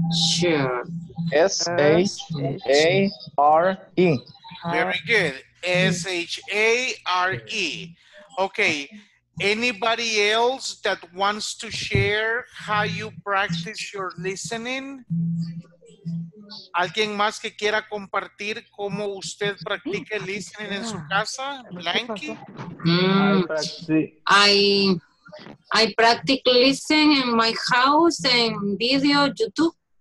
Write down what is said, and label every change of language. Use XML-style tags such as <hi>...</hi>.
<en>Share. S-H-A-R-E. Very good. S-H-A-R-E. Okay. Anybody else that wants to share how you practice your listening?</en> <es>¿Alguien más que quiera compartir cómo usted practica el listening en su casa?</es> <en>Blanky? I practice listening in my house and video, YouTube.</en>